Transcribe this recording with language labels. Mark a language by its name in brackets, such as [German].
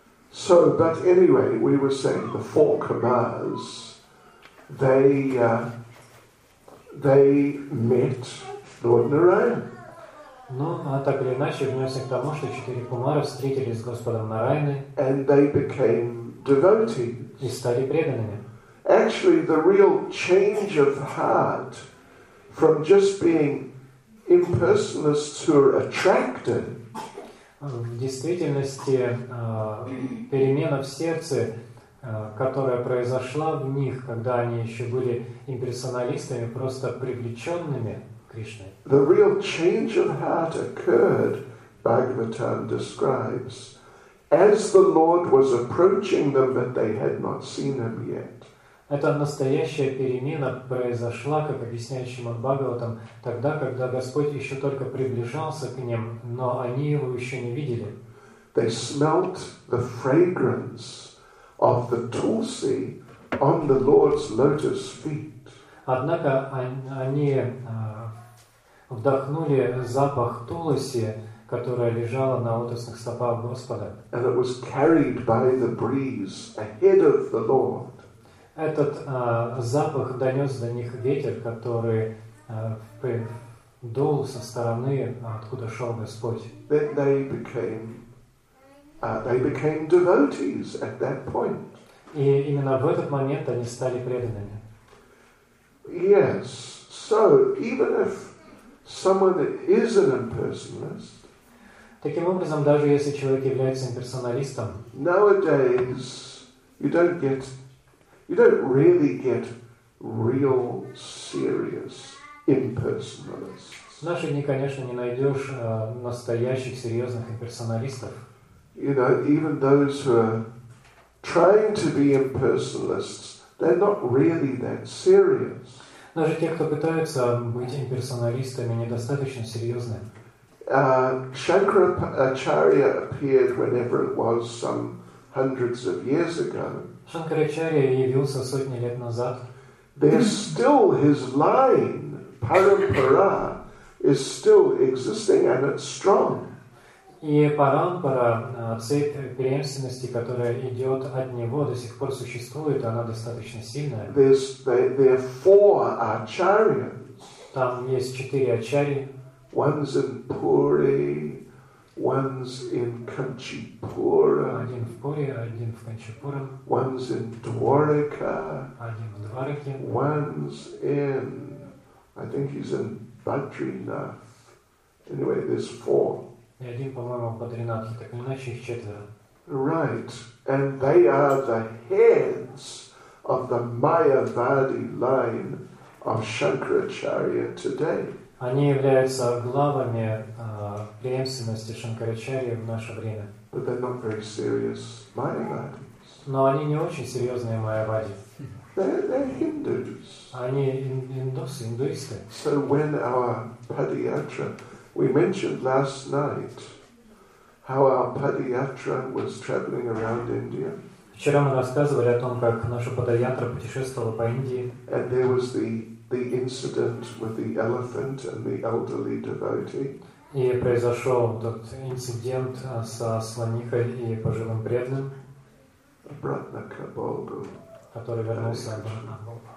[English] So, but anyway, we were saying the four Kumars, they met Lord Narayan. [Russian] Ну, а так или иначе, вернемся к тому, что четыре Кумара встретились с Господом Нарайной. [English] And they became devotees. [Russian] И стали преданными. [English] Actually, the real change of heart from just being impersonalist to attracted. [Russian] В действительности, перемена в сердце, которая произошла в них, когда они еще были имперсоналистами, просто привлеченными Кришной. [English] The real change of heart occurred, Bhagavatam describes, as the Lord was approaching them, but they had not seen him yet. [Russian] Эта настоящая перемена произошла, как объясняет Шримад Бхагаватам, тогда, когда Господь еще только приближался к ним, но они его еще не видели. [English] They smelt the fragrance of the tulsi on the Lord's lotus feet. [Russian] Однако они вдохнули запах тулоси, которая лежала на лотосных стопах Господа. [English] And it was carried by the breeze ahead of the Lord. [Russian] Этот запах донес до них ветер, который дул со стороны, откуда шел Господь. [English] Then they became devotees at that point. [Russian] И именно в этот момент они стали преданными. [English] Yes. So even if someone is an impersonalist, [Russian] таким образом, даже если человек является имперсоналистом, [English] nowadays you don't get. You don't really get real serious impersonalists. [Russian] В наши дни, конечно, не найдешь настоящих серьезных имперсоналистов. [English] You know, even those who are trying to be impersonalists, they're not really that serious. [Russian] Даже те, кто пытаются быть имперсоналистами, недостаточно серьезны. [English] Shankaracharya appeared whenever it was some hundreds of years ago. [Russian] Шанкарачарья явился сотни лет назад. [English] There's still his line, Parampara, is still existing and it's strong. [Russian] И парампара, цепь преемственности, которая идет от него, до сих пор существует, она достаточно сильная. [English] There are four acharyas. [Russian] Там есть четыре ачарьи. [English] One's in Puri, one's in Kanchipura. [Russian] Один в Пури, один в Канчипура. [English] One's in Dwarka. [Russian] Один в Двараке. [English] One's in, I think he's in Badrinath. Anyway, there's four. [Russian] И один, по-моему, в Бадринатхе, так иначе их четверо. [English] Right, and they are the heads of the Mayavadi line of Shankaracharya today. [Russian] Они являются главами преемственности Шанкарачарьи в наше время. [English] But they're not very serious Майявадис. [Russian] Но они не очень серьезные майявади. [English] They're Hindus. [Russian] Они индусы, индуисты. [English] So when our Padyatra, we mentioned last night how our Padyatra was traveling around India. [Russian] Вчера мы рассказывали о том, как наша Падаятра путешествовала по Индии. [English] And there was the incident with the elephant and the elderly devotee. [Russian] И произошел тот инцидент со сланихой и поживым преданным, обратно к Богу, который вернулся обратно к Богу.